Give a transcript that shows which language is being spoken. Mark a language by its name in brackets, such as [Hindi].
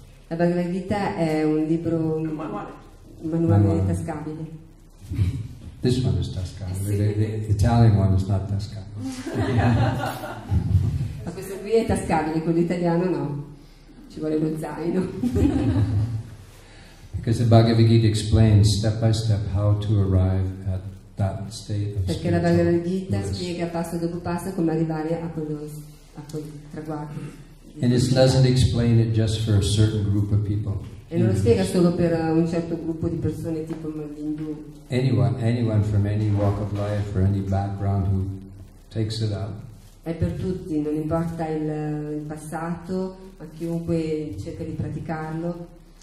[Italian] La Bhagavad Gita è un libro manuale tascabile. [English] This one is Tascano. The Italian one is not Tascano. [Italian] Ma questo qui è tascabile, quello italiano no. Ci vuole lo zaino. [English] Because the Bhagavad Gita explains step by step how to arrive at that state of. [Italian] Perché la Bhagavad Gita spiega passo dopo passo come arrivare a quello, a quel traguardo. [English] And it doesn't explain it just for a certain group of people. [Italian] E non lo spiega solo per un certo gruppo di persone tipo l'indù. [English] Anyone from any walk of life or any background who takes it up. [Italian] È per tutti, non importa il passato, ma chiunque cerca di praticarlo.